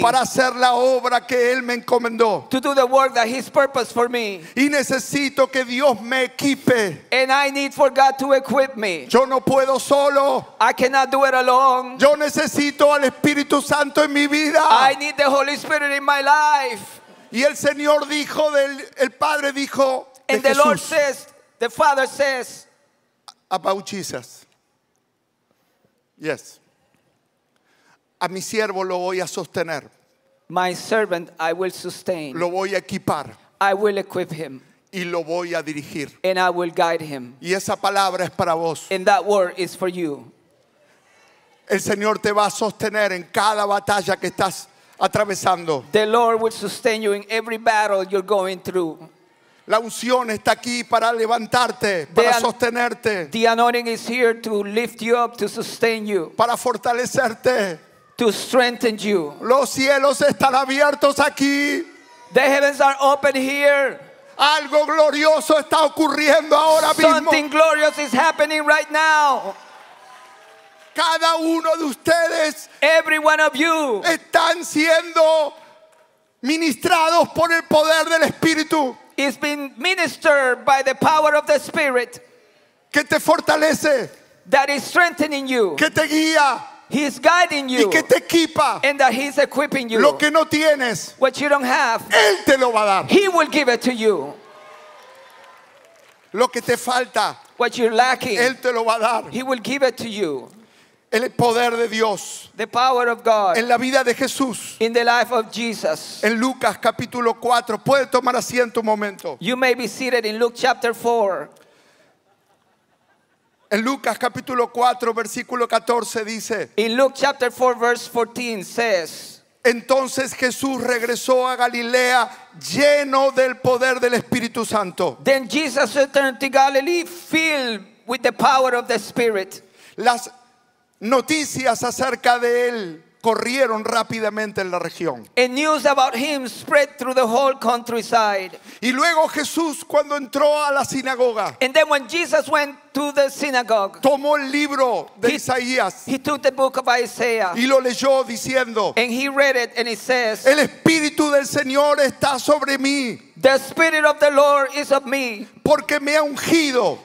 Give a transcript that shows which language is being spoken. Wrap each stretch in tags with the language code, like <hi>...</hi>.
<es>Para hacer la obra que Él me encomendó.</es> <en>To do the work that He's purposed for me.</en> <es>Y necesito que Dios me equipe.</es> <en>And I need for God to equip me.</en> <es>Yo no puedo solo.</es> <en>I cannot do it alone.</en> <es>Yo necesito al Espíritu Santo en mi vida.</es> <en>I need the Holy Spirit in my life.</en> <es>Y el Señor dijo, el Padre dijo de</es> <en>And the</en> <es>Jesús.</es> <en>Lord says, the Father says, about Jesus. Yes.</en> <es>A mi siervo lo voy a sostener.</es> <en>My servant I will sustain.</en> <es>Lo voy a equipar.</es> <en>I will equip him.</en> <es>Y lo voy a dirigir.</es> <en>And I will guide him.</en> <es>Y esa palabra es para vos.</es> <en>And that word is for you.</en> <es>El Señor te va a sostener en cada batalla que estás atravesando.</es> <en>The Lord will sustain you in every battle you're going through.</en> <es>La unción está aquí para levantarte, para sostenerte.</es> <en>The anointing is here to lift you up, to sustain you.</en> <es>Para fortalecerte.</es> <en>To strengthen you.</en> <es>Los cielos están abiertos aquí.</es> <en>The heavens are open here.</en> <es>Algo glorioso está ocurriendo ahora mismo.</es> <en>Something glorious is happening right now.</en> <es>Cada uno de ustedes.</es> <en>Every one of you.</en> <es>Están siendo ministrados por el poder del Espíritu.</es> <en>Is being ministered by the power of the Spirit.</en> <es>Que te fortalece.</es> <en>That is strengthening you.</en> <es>Que te guía.</es> <en>He is guiding you.</en> <es>Y que te equipa.</es> <en>And that he is equipping you.</en> <es>Lo que no tienes.</es> <en>What you don't have.</en> <es>Él te lo va a dar.</es> <en>He will give it to you.</en> <es>Lo que te falta.</es> <en>What you're lacking.</en> <es>Él te lo va a dar.</es> <en>He will give it to you.</en> <es>El poder de Dios.</es> <en>The power of God.</en> <es>En la vida de Jesús.</es> <en>In the life of Jesus.</en> <es>En Lucas capítulo 4. Puede tomar asiento un momento.</es> <en>You may be seated in Luke chapter 4.</en> <es>En Lucas capítulo 4 versículo 14 dice.</es> <en>In Luke chapter 4 verse 14 says.</en> <es>Entonces Jesús regresó a Galilea lleno del poder del Espíritu Santo.</es> <en>Then Jesus returned to Galilee filled with the power of the Spirit.</en> <es>Las noticias acerca de él corrieron rápidamente en la región.</es> <en>And news about him spread through the whole countryside.</en> <es>Y luego Jesús cuando entró a la sinagoga.</es> <en>And then when Jesus went to the synagogue.</en> <es>Tomó el libro de Isaías.</es> <en>He took the book of Isaiah.</en> <es>Y lo leyó diciendo.</es> <en>And he read it and it says.</en> <es>El Espíritu del Señor está sobre mí.</es> <en>The Spirit of the Lord is of me.</en> <es>Porque me ha ungido.</es>